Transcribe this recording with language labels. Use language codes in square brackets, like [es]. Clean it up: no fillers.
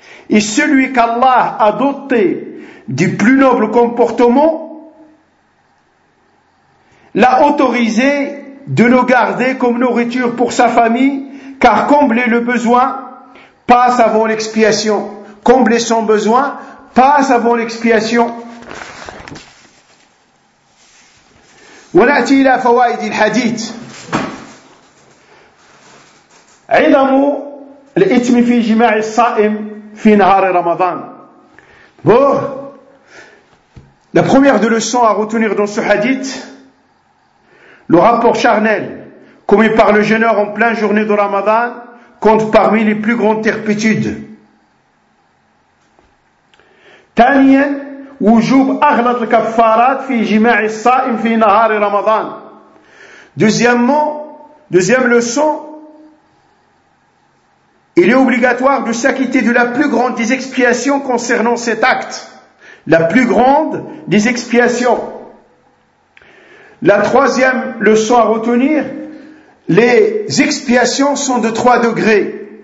[fr] Et celui qu'Allah a doté du plus noble comportement, l'a autorisé de le garder comme nourriture pour sa famille, car combler le besoin passe avant l'expiation. Combler son besoin passe avant l'expiation. [ar] ونأتي إلى فوائد الحديث عظم الإثم في جماع الصائم في نهار رمضان. [fr] Bon, la première des leçons à retenir dans ce hadith, le rapport charnel commis par le jeûneur en pleine journée de Ramadan compte parmi les plus grandes turpitudes. [ar] ثانيا وجوب أغلط الكفارات في جماع الصائم في نهار رمضان. [fr] Deuxième leçon, il est obligatoire de s'acquitter de la plus grande des expiations concernant cet acte. La plus grande des expiations. La troisième leçon à retenir, les expiations sont de 3 degrés.